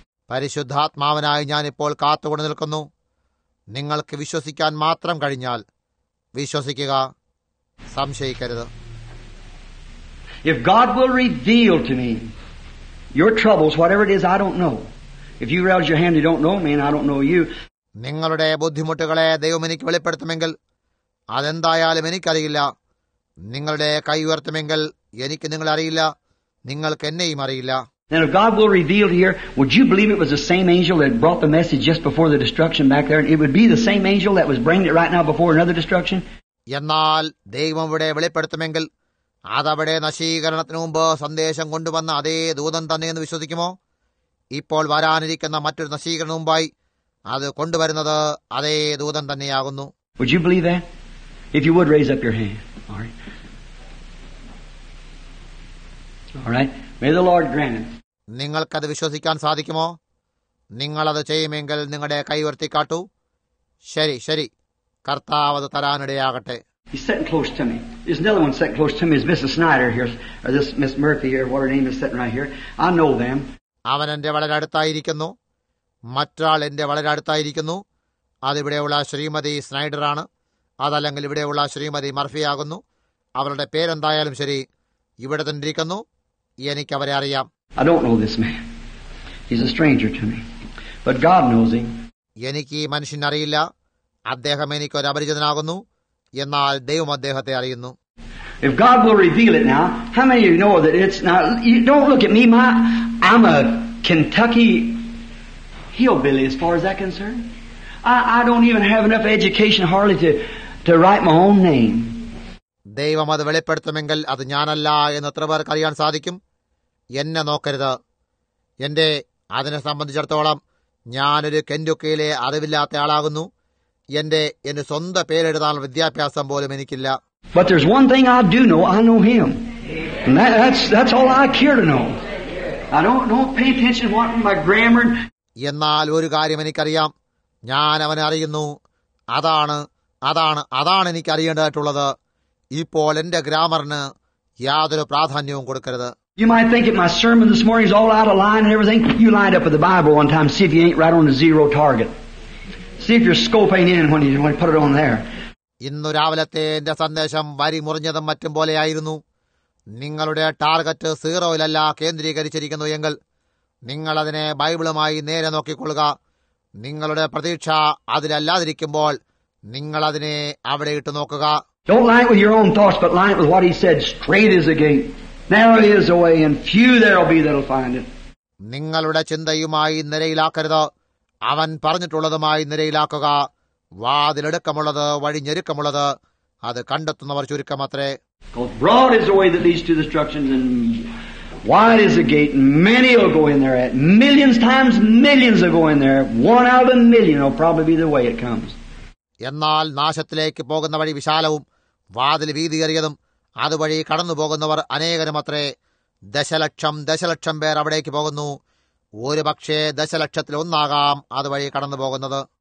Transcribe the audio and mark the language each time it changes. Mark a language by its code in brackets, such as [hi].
[ml] പരിശുദ്ധാത്മാവനായി ഞാനിപ്പോൾ കാത്തുകൊണ്ട് നിൽക്കുന്നു. നിങ്ങൾക്ക് വിശ്വസിക്കാൻ മാത്രം കഴിഞ്ഞാൽ വിശ്വസിക്കുക, സംശയിക്കരുത്. [en] If God will reveal to me your troubles, whatever it is, I don't know. If you raise your hand, you don't know me and I don't know you. [ml] നിങ്ങളുടെ ബുദ്ധിമുട്ടുകളെ ദൈവം എനിക്ക് വെളിപ്പെടുത്തുമെങ്കിൽ അതെന്തായാലും എനിക്കറിയില്ല. നിങ്ങളുടെ കൈ ഉയർത്തുമെങ്കിൽ എനിക്ക് നിങ്ങളറിയില്ല. നിങ്ങൾക്ക് എന്നെയും അറിയില്ല. [en] Then if God will reveal it here, would you believe it was the same angel that brought the message just before the destruction back there? It would be the same angel that was bringing it right now before another destruction? [ml] എന്നാൽ ദൈവം ഇവിടെ വെളിപ്പെടുത്തുമെങ്കിൽ അതവിടെ നശീകരണത്തിന് മുമ്പ് സന്ദേശം കൊണ്ടുവന്ന അതേ ദൂതൻ തന്നെയെന്ന് വിശ്വസിക്കുമോ? ഇപ്പോൾ വരാനിരിക്കുന്ന മറ്റൊരു നശീകരണ മുമ്പായി അത് കൊണ്ടുവരുന്നത് അതേ ദൂതൻ തന്നെയാകുന്നു. [en] Would you believe that? If you would, raise up your hand. All right. All right. May the Lord grant it. [ml] നിങ്ങൾക്കത് വിശ്വസിക്കാൻ സാധിക്കുമോ? നിങ്ങൾ അത് ചെയ്യുമെങ്കിൽ നിങ്ങളുടെ കൈ ഉയർത്തിക്കാട്ടു. ശരി ശരി, കർത്താവ് അത് തരാനിടയാകട്ടെ. [en] He's sitting close to me. There's another one sitting close to me. Is Mrs. Snyder here? Or this Miss Murphy here? What her name is sitting right here? I know them. [ml] അവൻ എന്റെ വളരെ അടുത്തായിരിക്കുന്നു. മറ്റൊരാൾ എന്റെ വളരെ അടുത്തായിരിക്കുന്നു. അതിവിടെയുള്ള ശ്രീമതി സ്നൈഡറാണ്. അതല്ലെങ്കിൽ ഇവിടെയുള്ള ശ്രീമതി മർഫിയാകുന്നു. അവരുടെ പേരെന്തായാലും ശരി, ഇവിടെ തന്നിരിക്കുന്നു. എനിക്ക് അവരെ അറിയാം. [en] I don't know this man. He's a stranger to me. But God knows him. [ml] എനിക്ക് ഈ മനുഷ്യൻ അറിയില്ല. അദ്ദേഹം എനിക്ക് ഒരു അപരിചിതനാകുന്നു. എന്നാൽ ദൈവം അദ്ദേഹത്തെ അറിയുന്നു. [en] If God will reveal it now, how many of you know that it's not... You don't look at me, I'm a Kentucky hillbilly as far as that concerned. I don't even have enough education hardly to write my own name. [ml] ദൈവം അത് വെളിപ്പെടുത്തുമെങ്കിൽ അത് ഞാനല്ല എന്ന് എത്ര പേർക്ക് അറിയാൻ സാധിക്കും? എന്നെ നോക്കരുത്. എന്റെ അതിനെ സംബന്ധിച്ചിടത്തോളം ഞാനൊരു കെൻഡുക്കയിലെ അറിവില്ലാത്ത ആളാകുന്നു. എന്റെ സ്വന്തം പേരെഴുതാനുള്ള വിദ്യാഭ്യാസം പോലും എനിക്കില്ല. [en] But there's one thing I do know. I know him. And that's all I care to know. I don't pay attention to what my grammar. [ml] എന്നാൽ ഒരു കാര്യം എനിക്കറിയാം. ഞാൻ അവനെ അറിയുന്നു. അതാണ് അതാണ് അതാണ് എനിക്ക് അറിയേണ്ടതായിട്ടുള്ളത്. ഇപ്പോൾ എന്റെ ഗ്രാമറിന് യാതൊരു പ്രാധാന്യവും കൊടുക്കരുത്. [en] You might think that my sermon this morning is all out of line and everything. You lined up with the Bible one time, see if you ain't right on the zero target. See if your scope ain't in when you put it on there. [ml] ഇന്നു രാവിലത്തെ എന്റെ സന്ദേശം വരി മുറിഞ്ഞതും മറ്റും പോലെയായിരുന്നു. നിങ്ങളുടെ target സീറോയിലല്ല കേന്ദ്രീകരിച്ചിരിക്കുന്നു എങ്കിൽ നിങ്ങൾ അതിനെ ബൈബിളുമായി നേരെ നോക്കിക്കൊള്ളുക. നിങ്ങളുടെ പ്രതീക്ഷ അതിലല്ലാതിരിക്കുമ്പോൾ നിങ്ങൾ അതിനെ അവിടെ ഇട്ട് നോക്കുക. [en] Don't line it with your own thoughts, but line it with what he said. Straight is the gate. Narrow is the way, and few there will be that will find it. [ml] നിങ്ങളുടെ ചിന്തയുമായി നിരയിലാക്കരുത്. അവൻ പറഞ്ഞിട്ടുള്ളതുമായി നിരയിലാക്കുക. വാതിലടുക്കമുള്ളത്, വഴി ഞെരുക്കമുള്ളത്, അത് കണ്ടെത്തുന്നവർ ചുരുക്കമത്രേ. [en] Broad is the way that leads to destruction, and wide is the gate, and many will go in there. Millions times millions will go in there. One out of a million will probably be the way it comes. [ml] എന്നാൽ നാശത്തിലേക്ക് പോകുന്ന വഴി വിശാലവും വാതിൽ വീതിയേറിയതും അതുവഴി കടന്നു പോകുന്നവർ അനേകരുമത്രേ. ദശലക്ഷം ദശലക്ഷം പേർ അവിടേക്ക് പോകുന്നു. ഒരു പക്ഷേ ദശലക്ഷത്തിലൊന്നാകാം അതുവഴി കടന്നു പോകുന്നത്.